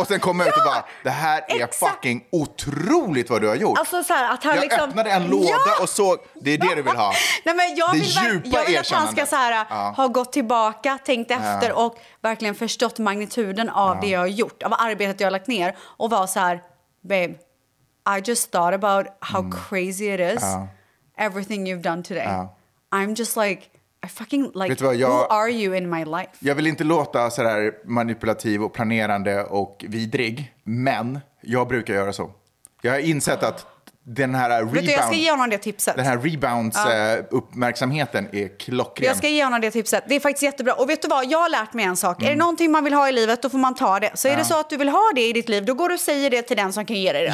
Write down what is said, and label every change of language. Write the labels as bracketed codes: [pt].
[sv] och sen kommer jag ut och bara, det här är fucking otroligt vad du har gjort. Alltså så här, att han jag liksom... öppnade en låda och så, det är det du vill ha. Nej, men jag vill att han ska så här, ha gått tillbaka, tänkt efter och verkligen förstått magnituden av det jag har gjort. Av arbetet jag har lagt ner. Och var så här, [en] babe, I just thought about how crazy it is. Everything you've done today. I'm just like... I fucking like, [sv] vet du vad, jag, [en] who are you in my life? [sv] Jag vill inte låta så här manipulativ och planerande och vidrig, men jag brukar göra så. Jag har insett att den här rebound, vet du, jag ska ge honom det tipset. Den här rebounds uppmärksamheten är klockren. Jag ska ge honom det tipset. Det är faktiskt jättebra. Och vet du vad, jag har lärt mig en sak. Mm. Är det någonting man vill ha i livet, då får man ta det. Så är det så att du vill ha det i ditt liv, då går du och säger det till den som kan ge dig det.